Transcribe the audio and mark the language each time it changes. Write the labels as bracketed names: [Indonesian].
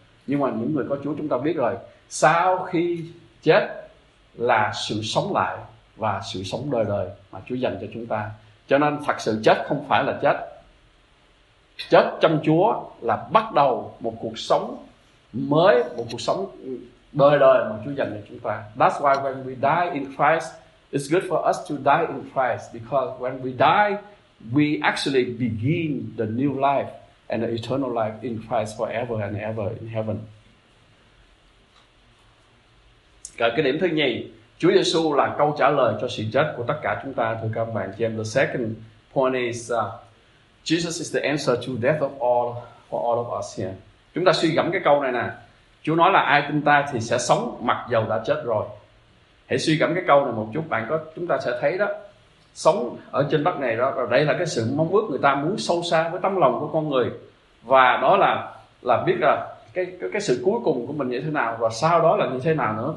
[Vietnamese] Nhưng mà những người có Chúa, chúng ta biết rồi, sau khi chết là sự sống lại và sự sống đời đời mà Chúa dành cho chúng ta. Cho nên thật sự chết không phải là chết. Chết trong Chúa là bắt đầu một cuộc sống mới, một cuộc sống đời đời mà Chúa dành cho chúng ta. [English] That's why when we die in Christ, it's good for us to die in Christ, because when we die, we actually begin the new life and the eternal life in Christ forever and ever in heaven. [Vietnamese] Cái điểm thứ nhì, Chúa Giêsu là câu trả lời cho sự chết của tất cả chúng ta, thưa các bạn chị em. [English] The second point is Jesus is the answer to death of all for all of us here. [Vietnamese] Chúng ta suy gẫm cái câu này nè. Chúa nói là ai tin ta thì sẽ sống mặc dầu đã chết rồi. Hãy suy gẫm cái câu này một chút, bạn có chúng ta sẽ thấy đó, sống ở trên đất này đó, đây là cái sự mong ước người ta muốn sâu xa với tấm lòng của con người, và đó là biết là cái sự cuối cùng của mình như thế nào và sau đó là như thế nào nữa.